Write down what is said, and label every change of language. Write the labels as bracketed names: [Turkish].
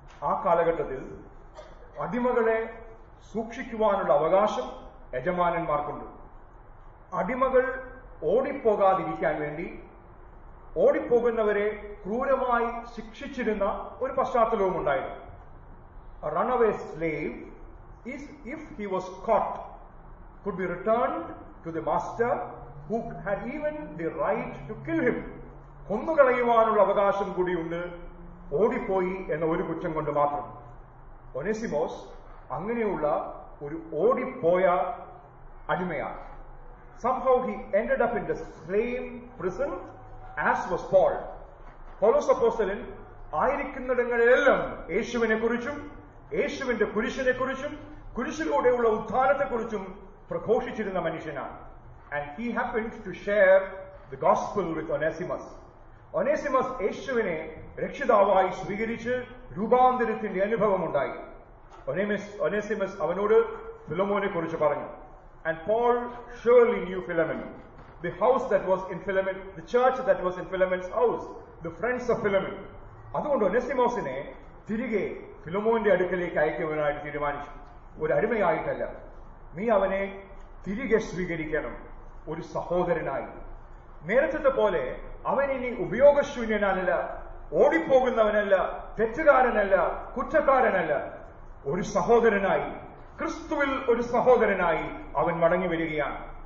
[Malayalam] ആ കാലഘട്ടത്തിൽ അടിമകളെ സൂക്ഷിക്കുവാനുള്ള അവകാശം യജമാനന്മാർക്കുണ്ട്. അടിമകൾ ഓടിപ്പോകാതിരിക്കാൻ വേണ്ടി ഓടിപ്പോകുന്നവരെ ക്രൂരമായി ശിക്ഷിച്ചിരുന്ന ഒരു പശ്ചാത്തലവും ഉണ്ടായിരുന്നു. [English] A runaway slave is, if he was caught, could be returned to the master who had even the right to kill him. [Malayalam] കൊന്നുകളയുവാനുള്ള അവകാശം കൂടിയുണ്ട് ഓടിപ്പോയി എന്ന ഒരു കുറ്റം കൊണ്ട് മാത്രം. ഒനേസിമോസ് അങ്ങനെയുള്ള ഒരു ഓടിപ്പോയ അടിമയാണ്. [English] Somehow he ended up in the same prison as was Paul. [Malayalam] പൗലോസ് അപ്പോസ്തലൻ ആയിരിക്കുന്നിടങ്ങളിലെല്ലാം യേശുവിനെക്കുറിച്ചും യേശുവിന്റെ കുരിശിനെക്കുറിച്ചും കുരിശിലൂടെയുള്ള ഉദ്ധാരത്തെക്കുറിച്ചും പ്രഘോഷിച്ചിരുന്ന മനുഷ്യനാണ്. [English] And he happened to share the gospel with Onesimus. [Malayalam] Onesimus യേശുവിനെ രക്ഷിതാവായി സ്വീകരിച്ച് രൂപാന്തരത്തിന്റെ അനുഭവമുണ്ടായി. Onesimus അവനോട് ഫിലമോനെ കുറിച്ച് പറഞ്ഞു. [English] And Paul surely knew Philemon. The house that was in Philemon, the church that was in Philemon's house, the friends of Philemon. [Malayalam] അതുകൊണ്ട് ഒനേസിമോസിനെ തിരികെ ഫിലമോന്റെ അടുക്കലേക്ക് അയക്കുവാനായിട്ട് തീരുമാനിച്ചു. ഒരു അടിമയായിട്ടല്ല, നീ അവനെ തിരികെ സ്വീകരിക്കണം ഒരു സഹോദരനായി. നേരത്തെ പോലെ അവനിനി ഉപയോഗശൂന്യനല്ല, ഓടിപ്പോകുന്നവനല്ല, തെറ്റുകാരനല്ല, കുറ്റക്കാരനല്ല, ഒരു സഹോദരനായി, ക്രിസ്തുവിൽ ഒരു സഹോദരനായി അവൻ മടങ്ങി വരികയാണ്.